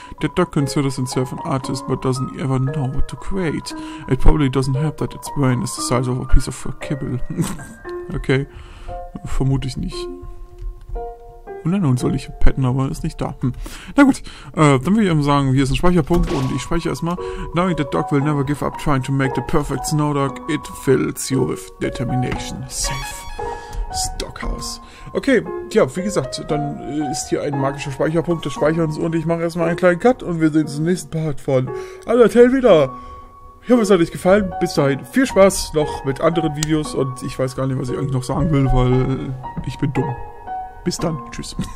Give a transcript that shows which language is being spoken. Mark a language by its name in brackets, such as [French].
[English] That dog considers itself an artist, but doesn't ever know what to create. It probably doesn't help that its brain is the size of a piece of kibble. [German] Okay. Vermute ich nicht. Und dann soll ich petten, aber ist nicht da. Na gut. Dann würde ich eben sagen, hier ist ein Speicherpunkt und ich speichere erstmal. [English] Knowing that dog will never give up trying to make the perfect snow dog, it fills you with determination. Safe. Stockhouse. [German] Okay, tja, wie gesagt, dann ist hier ein magischer Speicherpunkt des Speicherns und ich mache erstmal einen kleinen Cut und wir sehen uns im nächsten Part von Undertale wieder. Ich hoffe, es hat euch gefallen. Bis dahin, viel Spaß noch mit anderen Videos und ich weiß gar nicht, was ich eigentlich noch sagen will, weil ich bin dumm. Bis dann, tschüss.